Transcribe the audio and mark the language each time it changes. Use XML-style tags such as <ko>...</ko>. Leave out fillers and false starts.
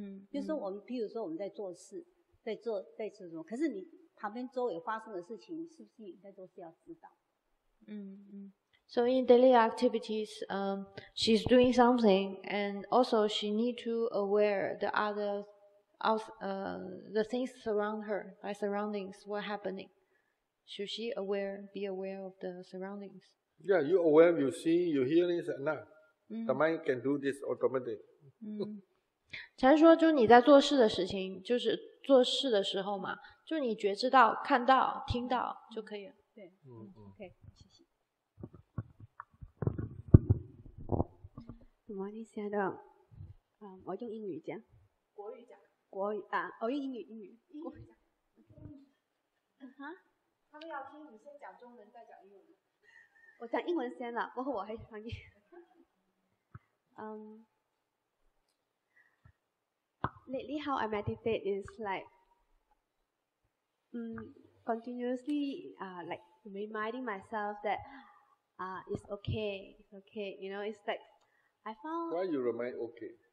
<zh>就是说我们比如说我们在做事在做什么，可是你旁边周围发生的事情是不是应该都是要知道。</zh> <en>So in daily activities, she's doing something and also she need to aware the other of, the things around her, like surroundings, what happening. Should she aware, be aware of the surroundings? Yeah, you aware, you see, you hear this and now. The mind can do this automatically.</en> <zh>禅说，就你在做事的事情，就是做事的时候嘛，就你觉知到、看到、听到就可以了。对，OK， 谢谢。</zh> <en>Good morning,</en> <zh>亲爱的，我用英语讲。国语讲。国语啊，我用英语讲。英语讲。他们要听你先讲中文，再讲英文。我讲英文先了，过后我还翻译。</zh> <en>Lately, how I meditate is like, continuously, like reminding myself that, it's okay, you know, it's like, I found. Why you remind okay?</en>